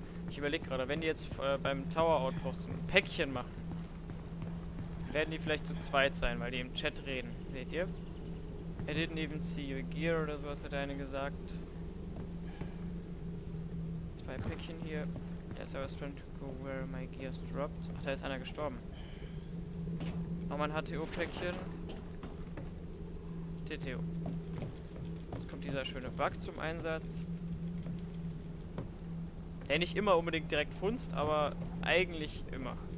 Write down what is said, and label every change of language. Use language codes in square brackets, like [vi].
[de] Ich überlege gerade, wenn die jetzt beim Tower Outpost ein Päckchen machen, werden die vielleicht zu zweit sein, weil die im Chat reden. Seht ihr? [en] I didn't even see your gear [de] oder sowas hat eine gesagt. Zwei Päckchen hier. [en] Yes, I was trying to go where my gear's dropped. [de] Ach, da ist einer gestorben. Oh, mein HTO-Päckchen. TTO. Jetzt kommt dieser schöne Bug zum Einsatz. Ja, nicht immer unbedingt direkt funzt, aber eigentlich immer.